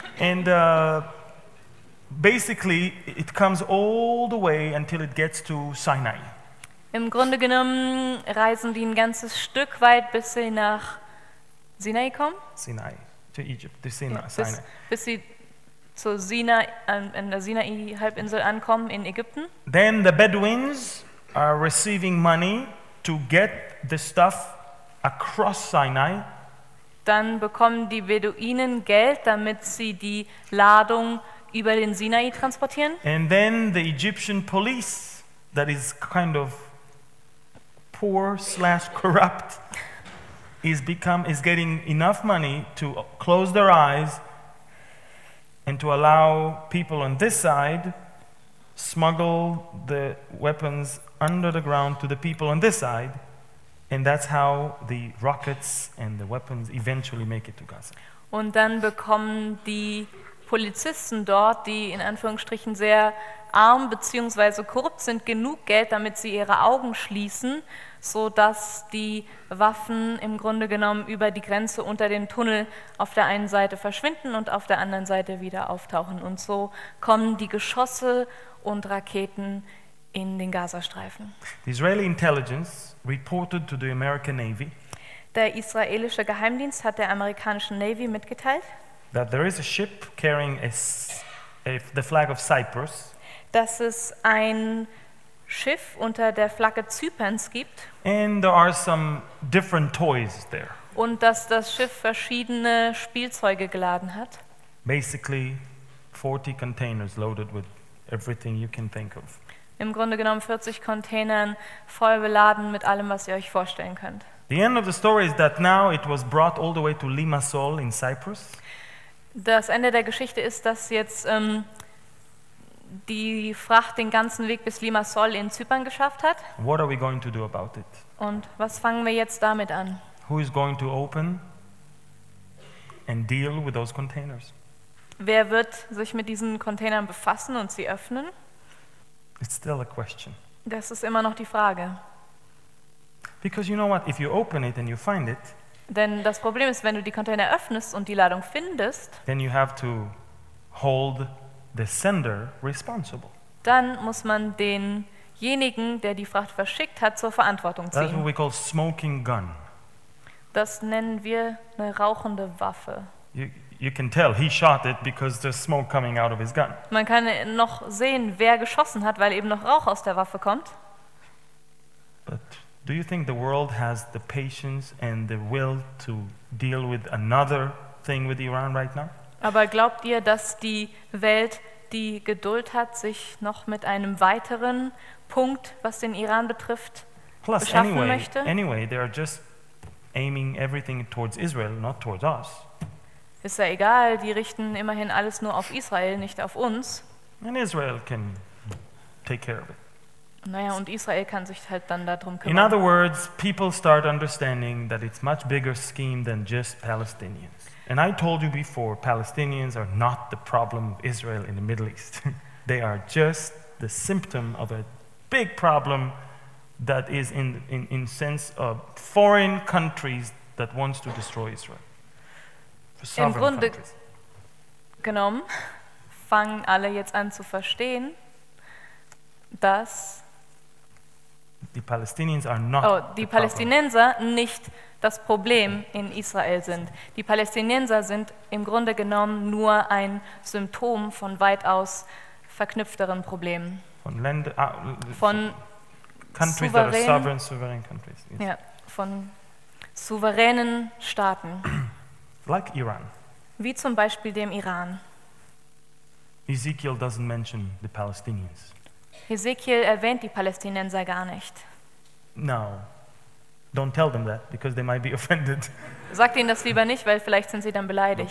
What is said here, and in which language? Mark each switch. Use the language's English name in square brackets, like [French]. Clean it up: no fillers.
[English] And basically, it comes all the way until it gets to Sinai. [German] Im Grunde genommen reisen die ein ganzes Stück weit, bis sie nach Sinai kommen. [English] Sinai, to Egypt, to Sinai. Ja, [German] bis sie zu Sinai, in der Sinai-Halbinsel ankommen, in Ägypten. [English] Then the Bedouins are receiving money to get the stuff across Sinai. [German] Dann bekommen die Beduinen Geld, damit sie die Ladung über den Sinai transportieren. [English] And then the Egyptian police, that is kind of poor slash corrupt, is getting enough money to close their eyes and to allow people on this side smuggle the weapons under the ground to the people on this side, and that's how the rockets and the weapons eventually make it to Gaza. [German] Und dann bekommen die Polizisten dort, die in Anführungsstrichen sehr arm bzw. korrupt sind, genug Geld, damit sie ihre Augen schließen, sodass die Waffen im Grunde genommen über die Grenze unter den Tunnel auf der einen Seite verschwinden und auf der anderen Seite wieder auftauchen. Und so kommen die Geschosse und Raketen in den Gazastreifen. [English] The Israeli intelligence reported to the American Navy. [German] Der israelische Geheimdienst hat der amerikanischen Navy mitgeteilt, [English] that there is a ship carrying the flag of Cyprus. [German] Dass es ein Schiff unter der Flagge Zyperns gibt. [English] And there are some different toys there. [German] Und dass das Schiff verschiedene Spielzeuge geladen hat. [English] Basically 40 containers loaded with everything you can think of. [German] Im Grunde genommen 40 Containern voll beladen mit allem, was ihr euch vorstellen könnt. [English] The end of the story is that now it was brought all the way to Limassol in Cyprus. [German] Das Ende der Geschichte ist, dass jetzt die Fracht den ganzen Weg bis Limassol in Zypern geschafft hat. [English] What are we going to do about it? [German] Und was fangen wir jetzt damit an? [English] Who is going to open and deal with those containers? [German] Wer wird sich mit diesen Containern befassen und sie öffnen? [English] It's still a question. [German] Das ist immer noch die Frage. [English] Because you know what, if you open it and you find it, [German] denn das Problem ist, wenn du die Container öffnest und die Ladung findest, [English] then you have to hold the sender responsible. [German] Dann muss man denjenigen, der die Fracht verschickt hat, zur Verantwortung ziehen. [English] That's what we call smoking gun. [German] Das nennen wir eine rauchende Waffe. [English] You can tell he shot it because there's smoke coming out of his gun. [German] Man kann noch sehen, wer geschossen hat, weil eben noch Rauch aus der Waffe kommt. [English] But do you think the world has the patience and the will to deal with another thing with Iran right now? [German] Aber glaubt ihr, dass die Welt die Geduld hat, sich noch mit einem weiteren Punkt, was den Iran betrifft, [English] plus, [German] beschaffen [English] anyway, [German] möchte? [English] Anyway, they are just aiming everything towards Israel, not towards us. [German] Ist ja egal, die richten immerhin alles nur auf Israel, nicht auf uns. [English] And Israel can take care of it. [German] Naja, und Israel kann sich halt dann darum kümmern. [English] In other words, people start understanding that it's much bigger scheme than just Palestinians. And I told you before, Palestinians are not the problem of Israel in the Middle East. They are just the symptom of a big problem that is in sense of foreign countries that wants to destroy Israel. [German] Im Grunde genommen fangen alle jetzt an zu verstehen, dass die Palästinenser nicht das Problem in Israel sind. Die Palästinenser sind im Grunde genommen nur ein Symptom von weitaus verknüpfteren Problemen. Von Ländern, von [English] countries that are sovereign countries. [German] Yes. Ja, von souveränen Staaten. [English] Like Iran. [German] Wie zum Beispiel dem Iran. [English] Ezekiel doesn't mention the Palestinians. [German] Ezekiel erwähnt die Palästinenser gar nicht. [English] No, don't tell them that because they might be offended. [German] Sagt ihnen das lieber nicht, weil vielleicht sind sie dann beleidigt.